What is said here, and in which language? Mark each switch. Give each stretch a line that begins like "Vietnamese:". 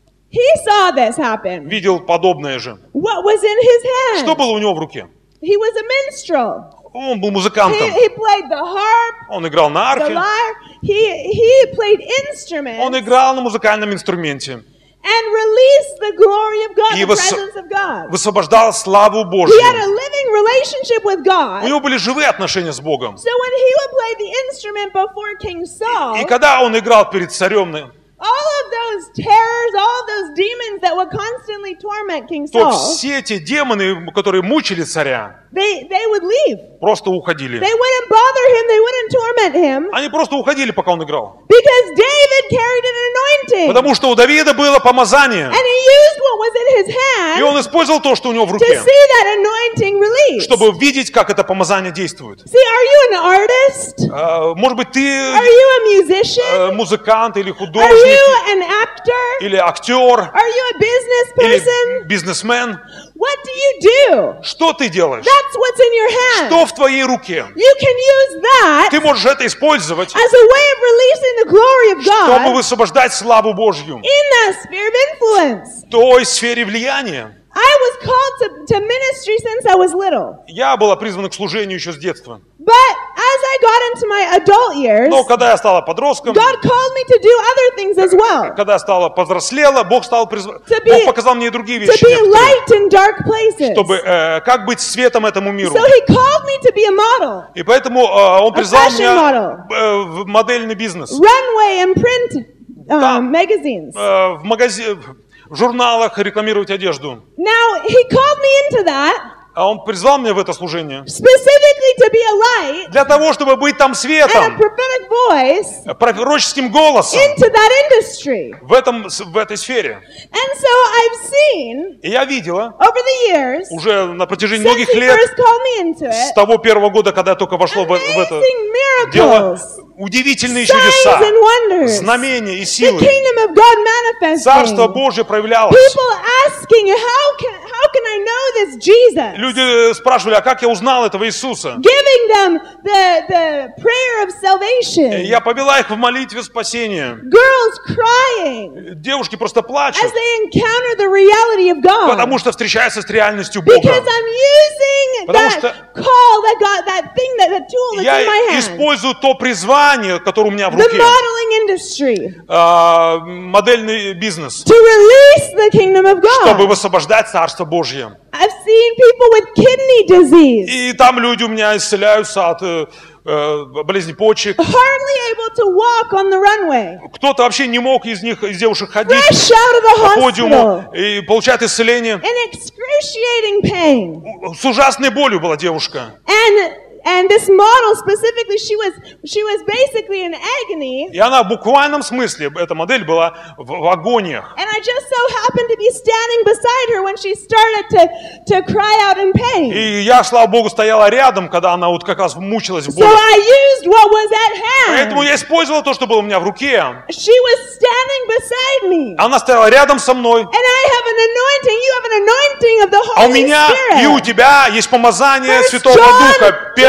English: He saw this happen.
Russian: Видел подобное же.
English: What was in his hand?
Russian: Что было у него в руке?
English: He was a minstrel.
Russian: Он был музыкантом.
English: He played the harp.
Russian: Он играл на арфе.
English: The lyre. He played instruments.
Russian: Он играл на музыкальном инструменте.
English: And release the glory of God, the presence of God.
Russian: Высвобождал славу Божью.
English: He had a living relationship with God.
Russian: У него были живые отношения с Богом.
English: So when he would play the instrument before King Saul.
Russian: И когда он играл перед царем.
English: All of those terrors, all of those demons that would constantly torment King Saul.
Russian: То все эти демоны, которые мучили царя.
English: They would leave.
Russian: Просто уходили.
English: They wouldn't bother him, they wouldn't torment him.
Russian: Они просто уходили, пока он играл.
English: Because David carried an anointing.
Russian: Потому что у Давида было помазание.
English: And he used what was in his hand.
Russian: И он использовал то, что у него в руке.
English: To see that anointing release.
Russian: Чтобы видеть, как это помазание действует.
English: See, are you an artist?
Russian: Может быть, ты.
English: Are you a musician?
Russian: Музыкант или художник?
English: Are you an actor?
Russian: Или актер?
English: Are you a business person?
Russian: Или бизнесмен?
English: What do you do?
Russian: Что ты делаешь?
English: That's what's in your hand.
Russian: Что в твоей руке?
English: You can use that.
Russian: Ты можешь это использовать.
English: As a way of releasing the glory of God.
Russian: Чтобы высвобождать славу Божью.
English: In that sphere of influence.
Russian: В той сфере влияния.
English: I was called to ministry since I was little.
Russian: Я была призвана к служению еще с детства.
English: But as I got into my adult years.
Russian: Но когда я стала подростком.
English: God called me to do other things as well.
Russian: Когда я стала повзрослела, Бог стал Бог показал мне и другие вещи.
English: To be light in dark places.
Russian: Чтобы как быть светом этому миру.
English: So he called me to be a model.
Russian: И поэтому он призвал меня в модельный бизнес.
English: Runway and print magazines.
Russian: В магазин. В журналах рекламировать одежду.
English: Now, he called me into that,
Russian: а он призвал меня в это служение.
English: Specifically to be a light,
Russian: для того, чтобы быть там светом.
English: And a prophetic voice,
Russian: пророческим голосом.
English: Into that industry.
Russian: В этой сфере.
English: And so I've seen,
Russian: и я видела.
English: Over the years,
Russian: уже на протяжении многих лет.
English: First called me into it,
Russian: с того первого года, когда я только вошло в это
English: miracles.
Russian: Дело. Удивительные чудеса, знамения и силы.
English: The kingdom of God manifesting.
Russian: Царство Божье проявлялось.
English: People asking, how can I know this Jesus?
Russian: Люди спрашивали, а как я узнал этого Иисуса?
English: Giving them the prayer of salvation.
Russian: Я повела их в молитве спасения.
English: Girls crying.
Russian: Девушки просто плачут.
English: As they encounter the reality of God.
Russian: Потому что встречаются с реальностью Бога.
English: Because I'm using that call that God, that thing, that tool that's in my hand.
Russian: Я использую то призвание, которое у меня в руке.
English: The modeling industry.
Russian: Модельный бизнес.
English: To release the kingdom of God.
Russian: Чтобы высвобождать царство Божье.
English: I've seen people with kidney disease.
Russian: И там люди у меня исцеляются от болезни почек.
English: Hardly able to walk on the runway.
Russian: Кто-то вообще не мог из них, из девушек, ходить
English: fresh out of the hospital.
Russian: По подиуму и получать исцеление.
English: In excruciating pain.
Russian: С ужасной болью была девушка.
English: And this model specifically, she was basically in agony.
Russian: И она в буквальном смысле, эта модель была в агониях.
English: And I just so happened to be standing beside her when she started to cry out in pain.
Russian: И я, слава богу, стояла рядом, когда она вот как раз мучилась в боли.
English: So I used what was at hand.
Russian: Поэтому я использовала то, что было у меня в руке.
English: She was standing beside me.
Russian: Она стояла рядом со мной.
English: And I have an anointing. You have an anointing of the Holy Spirit.
Russian: А у меня и у тебя есть помазание Святого Духа.